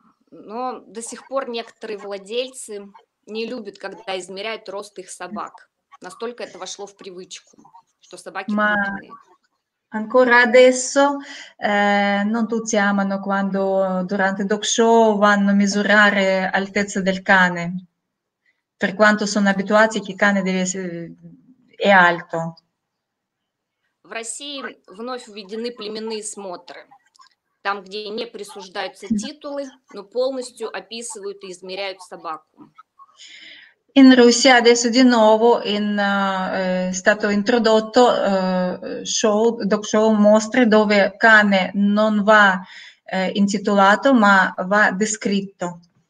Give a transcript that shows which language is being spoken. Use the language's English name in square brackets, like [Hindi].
[Russian] Но до сих пор некоторые владельцы не любят, когда измеряют рост их собак. Настолько это вошло в привычку, что собаки крупные. [Italian] Ancora adesso non tutti amano quando durante dog show vanno a misurare altezza del cane. Per quanto sono abituati che cane deve essere è alto. [Russian] В России вновь введены племенные смотры. Там, где не присуждаются титулы, но полностью описывают и измеряют собаку. [Italian] In Russia adesso di nuovo è stato introdotto show, dog show mostre dove cane non va intitolato, ma va descritto.